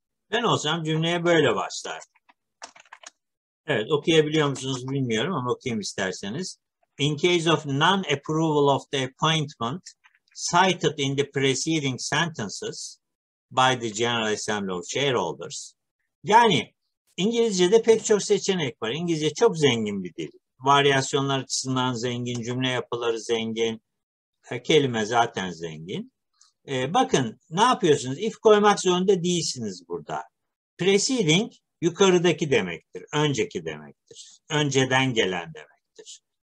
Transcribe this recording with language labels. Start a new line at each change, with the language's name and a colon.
Turkish: Ben olsam cümleye böyle başlar. Evet, okuyabiliyor musunuz bilmiyorum ama okuyayım isterseniz.
English: In case of non-approval of the appointment cited in the preceding sentences by the General Assembly of Shareholders.
Turkish: Yani İngilizce'de pek çok seçenek var. İngilizce çok zengin bir dil. Varyasyonlar açısından zengin, cümle yapıları zengin, kelime zaten zengin. Bakın ne yapıyorsunuz? If koymak zorunda değilsiniz burada. Preceding yukarıdaki demektir. Önceki demektir. Önceden gelen demektir.